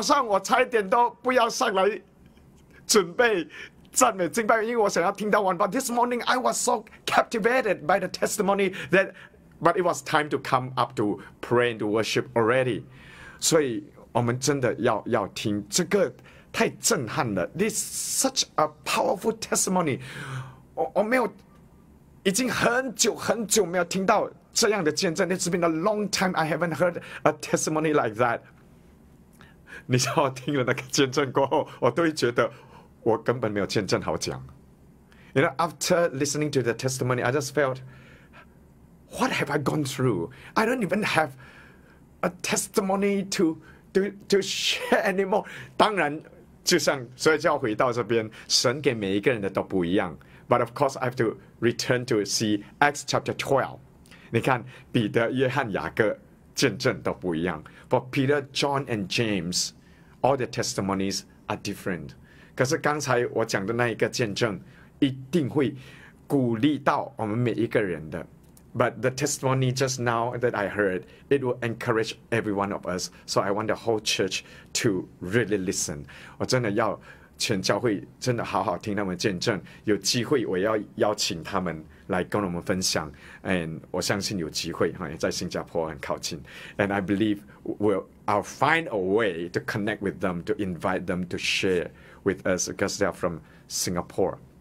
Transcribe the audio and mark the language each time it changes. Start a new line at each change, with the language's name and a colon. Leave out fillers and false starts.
Chinese: 今天早上我差一点都不要上来, 准备赞美敬拜，因为我想要听到完。
English: But this morning, I was so captivated by the testimony that, but it was time to come up to pray and to worship already.
Chinese: 所以我们真的要听这个，太震撼了。
English: This is such a powerful testimony.
Chinese: 我没有，已经很久很久没有听到这样的见证。
English: It's been a long time I haven't heard a testimony like that.
Chinese: 你知道我听了那个见证过后，我都会觉得。我根本没有见证好讲.
English: You know, after listening to the testimony, I just felt, what have I gone through? I don't even have a testimony to share anymore.
Chinese: 当然，就像所以就要回到这边, 神给每一个人的都不一样.
English: But of course, I have to return to see Acts chapter 12.
Chinese: 你看, 彼得、约翰、雅各见证都不一样.
English: But Peter, John, and James, all the testimonies are different.
Chinese: 可是刚才我讲的那一个见证一定会鼓励到我们每一个人的。
English: But the testimony just now that I heard, it will encourage every one of us. So I want the whole church to really listen.
Chinese: 我真的要全教会真的好好听他们见证。有机会我要邀请他们来跟我们分享。 And 我相信有机会在新加坡很靠近。
English: And I believe I'll find a way to connect with them, to invite them to share with us, because they are from Singapore.